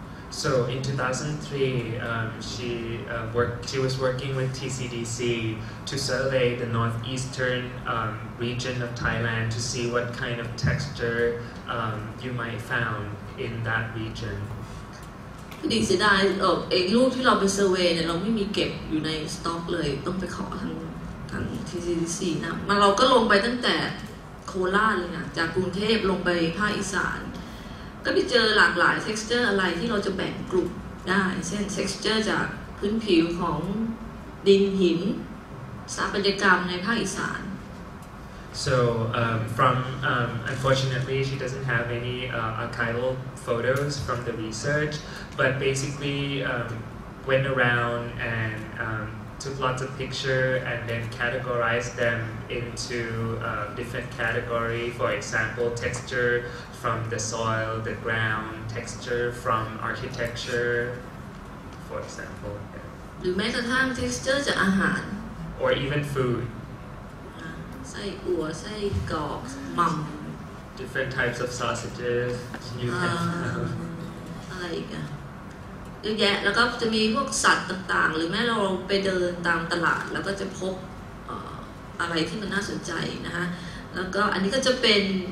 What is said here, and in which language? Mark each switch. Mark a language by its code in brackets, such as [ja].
[en] so in 2003 she was working with TCDC to survey the northeastern region of Thailand to see what kind of texture you might found in that region [th] ดีเสียดายเองรูปที่เราไปเซอร์เวย์เนี่ยเราไม่มีเก็บอยู่ในสต็อกเลยต้องไปขอทาง TCDC นะมาเราก็ลงไปตั้งแต่โคราชเลยนะจากกรุงเทพลงไปภาคอีสานก็ไปเจอหลากหลายเท็กซ์เจอร์อะไรที่เราจะแบ่งกลุ่มได้เช่นเท็กซ์เจอร์จากพื้นผิวของดินหินสถาปัตยกรรมในภาคอีสาน [en] so unfortunately she doesn't have any archival photos from the research but basically went around andtook lots of pictures and then categorized them into different category. For example, texture from the soil, the ground, texture from architecture, for example. [th] หรือแม้กระทั่ง texture จากอาหาร [en] or even food. [th] ไส้อั่วไส้กรอกมัม [en] different types of sausages. You [th] can. อะไรอีกอะเยอะแยะแล้วก็จะมีพวกสัตว์ต่างๆหรือแม้เราไปเดินตามตลาดแล้วก็จะพบอะไรที่มันน่าสนใจนะฮะแล้วก็อันนี้ก็จะเป็น